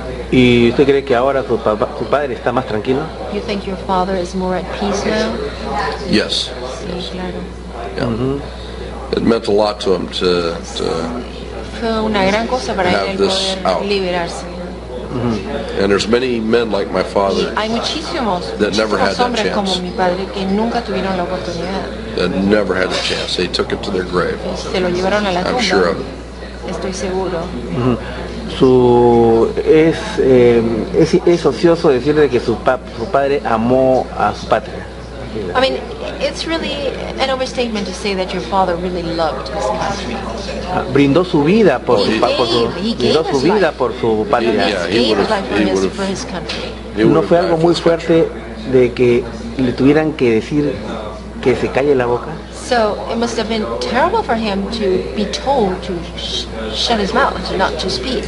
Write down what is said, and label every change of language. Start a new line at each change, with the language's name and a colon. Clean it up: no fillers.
Spanish: ¿Y usted cree que ahora su padre está más tranquilo?
English: You think your father is more at peace now? Yes.
Spanish: Sí, claro.
English: Yeah. Mm-hmm. It meant a lot to him to
Spanish: fue una gran cosa para él poder liberarse.
English: And there's many men like my father that never had that chance.
Spanish: Como mi padre, que nunca tuvieron la oportunidad.
English: That never had a chance. They took it to their grave.
Spanish: Se lo llevaron a la tumba.
English: I'm sure of it.
Spanish: Estoy seguro. Es ocioso decirle que su padre amó a su patria.
English: I mean, it's really an overstatement to say that your father really loved his country.
Spanish: Brindó su vida por su brindó su vida por su patria.
English: He gave his life for his country.
Spanish: No fue algo muy fuerte de que le tuvieran que decir que se calle la boca.
English: So it must have been terrible for him to be told to shut his mouth, not to speak.